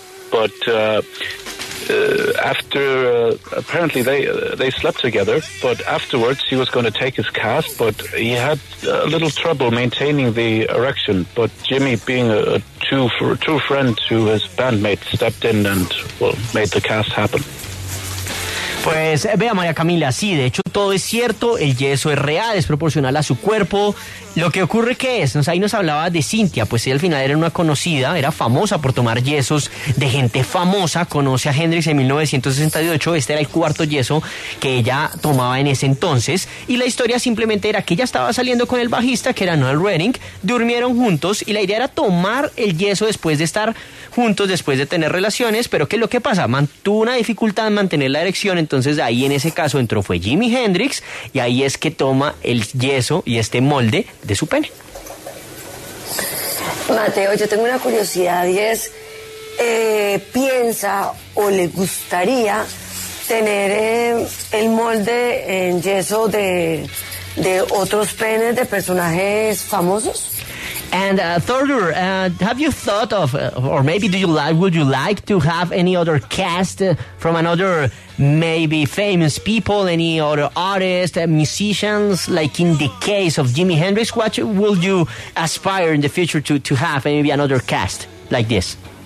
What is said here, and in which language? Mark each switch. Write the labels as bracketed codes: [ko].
[en] But after apparently they slept together, but afterwards he was going to take his cast, but he had a little trouble maintaining the erection. But Jimmy, being a true friend to his bandmate, stepped in and made the cast happen. [es] Pues vea, María Camila, sí, de hecho todo es cierto, el yeso es real, es proporcional a su cuerpo. Lo que ocurre que es, ahí nos hablaba de Cynthia, pues ella al final era una conocida, era famosa por tomar yesos de gente famosa, conoce a Hendrix en 1968, este era el cuarto yeso que ella tomaba en ese entonces, y la historia simplemente era que ella estaba saliendo con el bajista, que era Noel Redding, durmieron juntos, y la idea era tomar el yeso después de estar juntos, después de tener relaciones, pero ¿qué es lo que pasa? Mantuvo una dificultad en mantener la erección, entonces ahí en ese caso entró fue Jimi Hendrix, y ahí es que toma el yeso y este molde de su pene. Mateo, yo tengo una curiosidad y es, ¿piensa o le gustaría tener el molde en yeso de otros penes de personajes famosos? [en] And Thorgur, have you thought of, or maybe do you like, would you like to have any other cast from another, maybe famous people, any other artists, musicians, like in the case of Jimi Hendrix? What will you aspire in the future to have maybe another cast like this?